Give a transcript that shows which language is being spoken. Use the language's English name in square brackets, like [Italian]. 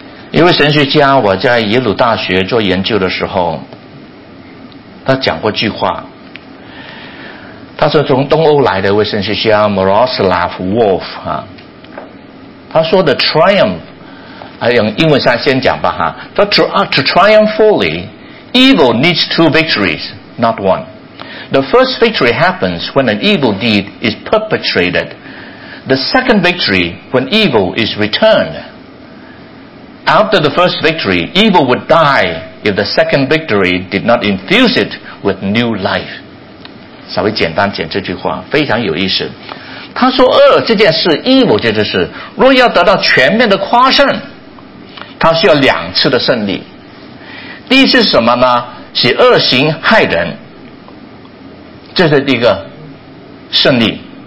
[Chinese] 一位神学家，我在耶鲁大学做研究的时候，他讲过句话，他说从东欧来的一位神学家 Miroslav Wolf、他说的 triumph 用英文上先讲吧、 [English] to triumph fully evil needs two victories not one。 The first victory happens when an evil deed is perpetrated. The second victory when evil is returned. After the first victory, evil would die if the second victory did not infuse it with new life. [Chinese] 稍微简单讲这句话，非常有意思。他说恶这件事， evil 这件事，若要得到全面的夸胜，他需要两次的胜利。第一次是什么呢？是恶行害人，这是第一个胜利。